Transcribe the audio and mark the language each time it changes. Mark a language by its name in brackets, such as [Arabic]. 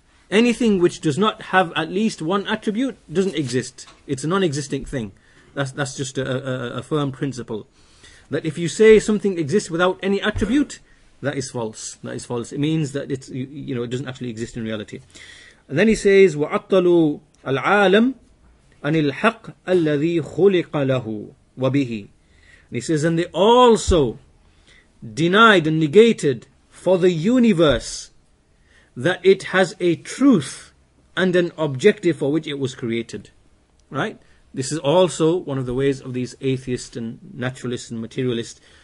[English] Anything which does not have at least one attribute doesn't exist. It's a non-existing thing. That's just a firm principle. That if you say something exists without any attribute, that is false. That is false. It means that it's, you know, it doesn't actually exist in reality. And then he says, [Arabic] وَعَطَّلُوا الْعَالَمْ أَنِ الْحَقِّ الَّذِي خُلِقَ لَهُ وَبِهِ. [English] And he says, and they also denied and negated for the universe that it has a truth and an objective for which it was created. Right? This is also one of the ways of these atheists and naturalists and materialists.